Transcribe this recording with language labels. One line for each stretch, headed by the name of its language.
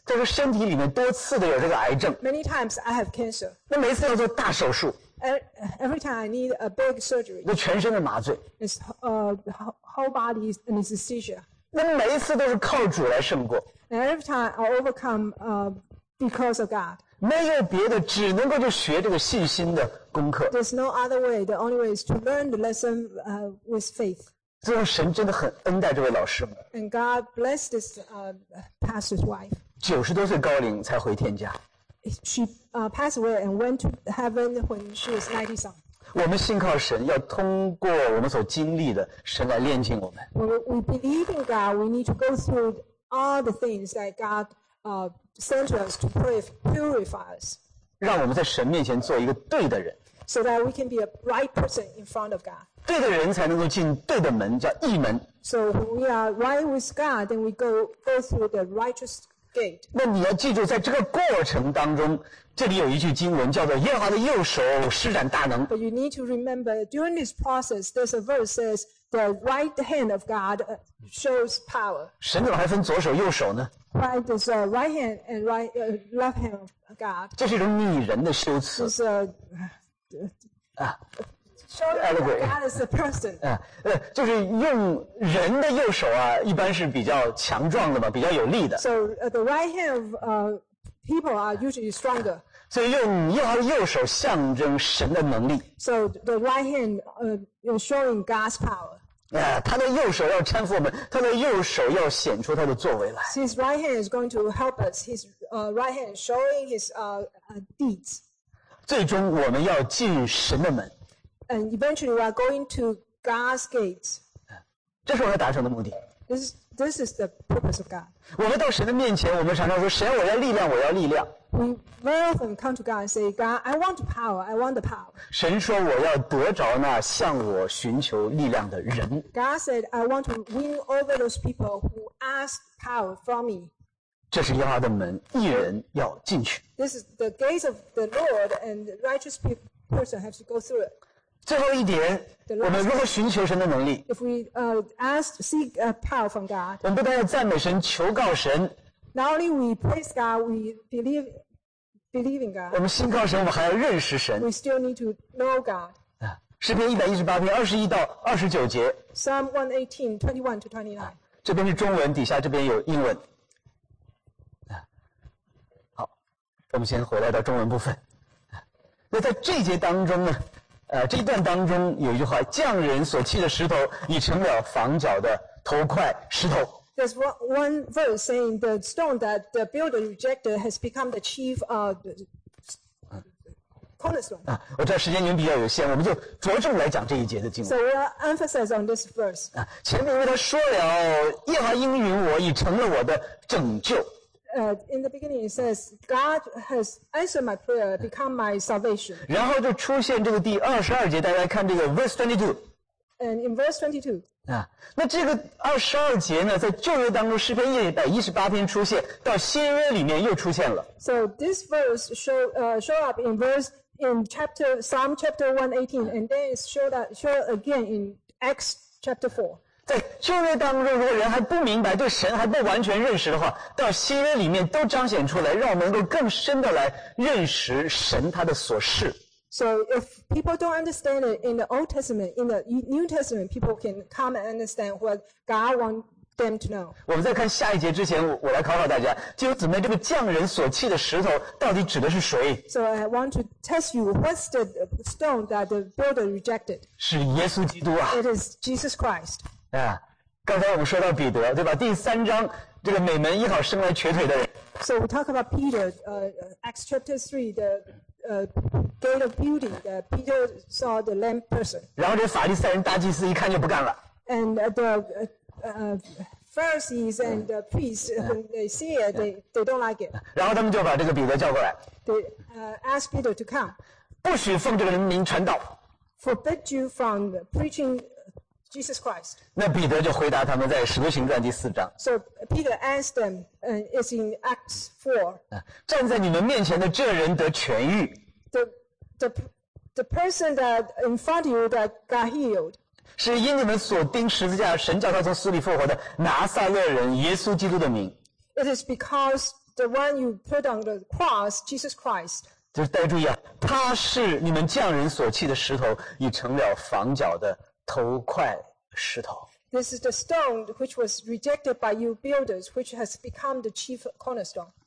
Chinese: 她说身体里面多次的有这个癌症。
English: Many times I have cancer.
Chinese: 那每次要做大手术。
English: Every time I need a big surgery.
Chinese: 那全身的麻醉。
English: It's whole body anesthesia.
Chinese: 那每一次都是靠主来胜过。
English: And every time I overcome because of God.
Chinese: 没有别的，只能够就学这个信心的功课。
English: There's no other way. The only way is to learn the lesson with faith.
Chinese: 最后神真的很恩待这位老师母。
English: And God blessed this pastor's wife.
Chinese: 90多岁高龄才回天家。
English: She passed away and went to heaven when she was 90 something.
Chinese: 我们信靠神，要通过我们所经历的，神来炼净我们。
English: We believe in God. We need to go through all the things that God sent us to purify us.
Chinese: 让我们在神面前做一个对的人。
English: So that we can be a right person in front of God.
Chinese: 对的人才能够进对的门，叫义门。
English: So we are right with God, then we go through the righteous.
Chinese: 那你要记住，在这个过程当中，这里有一句经文叫做“耶和华的右手施展大能”。
English: But you need to remember, during this process, there's a verse says the right hand of God shows power.
Chinese: 神怎么还分左手右手呢
English: ？Why does a right hand and right left hand of God?
Chinese: 这是一种拟人的修辞。
English: It's allegory. God is a person.
Chinese: 就是用人的右手啊，一般是比较强壮的嘛，比较有力的。
English: So the right hand of people are usually stronger.
Chinese: 所以用耶和华的右手象征神的能力。
English: So the right hand is showing God's power.
Chinese: 他的右手要搀扶我们，他的右手要显出他的作为来。
English: His right hand is going to help us. His right hand is showing his deeds.
Chinese: 最终我们要进神的门。
English: And eventually we are going to God's gates.
Chinese: 这是我要达成的目的。
English: This is the purpose of God.
Chinese: 我们到神的面前，我们常常说：“神，我要力量，我要力量。”
English: We very often come to God and say, "God, I want power. I want the power."
Chinese: 神说：“我要得着那向我寻求力量的人。”
English: God said, "I want to win over those people who ask power from me."
Chinese: 这是耶和华的门，义人要进去。
English: This is the gates of the Lord, and the righteous person has to go through it.
Chinese: 最后一点，我们如何寻求神的能力
English: ？If we seek power from God，
Chinese: 我们不但要赞美神、求告神
English: ，Not only we praise God, we believe in God。
Chinese: 我们信靠神，我们还要认识神。
English: We still need to know God。
Chinese: 诗篇118篇21-29节。
English: Psalm 118:21-29。
Chinese: 这边是中文，底下这边有英文。好，我们先回来到中文部分。那在这节当中呢？这一段当中有一句话，匠人所砌的石头已成了房角的头块石头。
English: There's one verse saying the stone that the builder rejected has become the chief cornerstone.
Chinese: 我知道时间您比较有限，我们就着重来讲这一节的经文。
English: So we'll emphasize on this verse.
Chinese: 前面因为他说了，耶和华应允我，已成了我的拯救。
English: In the beginning, it says God has answered my prayer, become my salvation.
Chinese: 然后就出现这个第22节，大家看这个
English: verse 22. And in verse 22.
Chinese: 那这个22节呢，在旧约当中，诗篇118篇出现，到新约里面又出现了。
English: So this verse show up in verse in chapter Psalm chapter 118, and then it showed again in Acts chapter 4.
Chinese: 在旧约当中，如果人还不明白，对神还不完全认识的话，到新约里面都彰显出来，让我们能够更深的来认识神他的所事。
English: So if people don't understand it in the Old Testament, in the New Testament, people can come and understand what God wants them to know.
Chinese: 我们在看下一节之前，我来考考大家，弟兄姊妹，这个匠人所弃的石头到底指的是谁
English: ？So I want to test you. What's the stone that the builder rejected?
Chinese: 是耶稣基督啊
English: ！It is Jesus Christ.
Chinese: 啊，刚才我们说到彼得，对吧？第三章这个美门一好生来瘸腿的人。
English: So we talk about Peter, Acts chapter 3, the gate of beauty that Peter saw the lame person.
Chinese: 然后这法利赛人大祭司一看就不干了。
English: And the Pharisees and the priests, when they see it, they don't like it.
Chinese: 然后他们就把这个彼得叫过来。
English: They ask Peter to come.
Chinese: 不许奉这个人名传道。
English: Forbid you from preaching Jesus Christ.
Chinese: 那彼得就回答他们在使徒行传第四章。
English: So Peter asked them, it's in Acts 4.
Chinese: 站在你们面前的这人得痊愈。
English: The person that in front of you that got healed.
Chinese: 是因你们所钉十字架，神叫他从死里复活的拿撒勒人耶稣基督的名。
English: It is because the one you put on the cross, Jesus Christ.
Chinese: 就是大家注意啊，他是你们匠人所弃的石头，已成了房角的头块石头。
English: This is the stone which was rejected by you builders, which has become the chief cornerstone.